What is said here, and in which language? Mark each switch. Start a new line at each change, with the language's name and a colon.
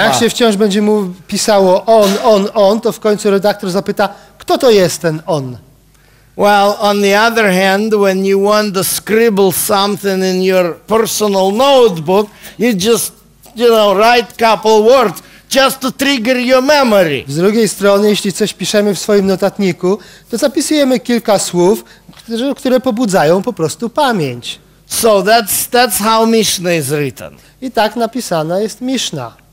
Polish: A jak się wciąż będzie mu pisało on, to w końcu redaktor zapyta, kto to jest ten on?
English: Well, on the other hand, when you want to scribble something in your personal notebook, you just, write couple words just to trigger your memory.
Polish: Z drugiej strony, jeśli coś piszemy w swoim notatniku, to zapisujemy kilka słów, które pobudzają po prostu pamięć.
English: So that's how Mishnah is written.
Polish: I tak napisana jest Mishnah.